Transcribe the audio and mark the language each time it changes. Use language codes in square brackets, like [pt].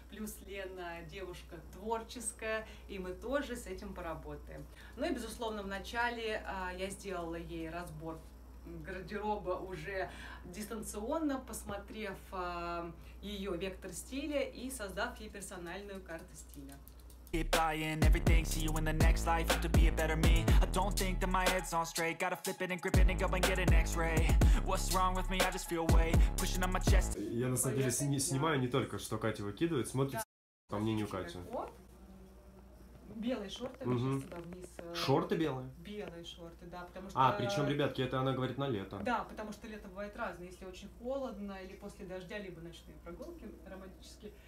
[ru] Плюс Лена девушка творческая, и мы тоже с этим поработаем. Ну и, безусловно, вначале я сделала ей разбор гардероба уже дистанционно, посмотрев ее вектор стиля и создав ей персональную карту стиля. [en] Keep buying everything, see you in the next life, hope to be a better me. I don't think that my head's on straight, gotta flip it and grip it and go and get an x-ray. What's wrong with me, I just feel weight pushing on my chest. [ru] Я на самом деле снимаю не только, что Катя выкидывает, смотрится по мнению Кати. Белые шорты, угу. Сюда вниз. Шорты белые? Белые шорты, да, потому что... А, причем, ребятки, это она говорит на лето. Да, потому что лето бывает разное, если очень холодно, или после дождя, либо ночные прогулки романтические.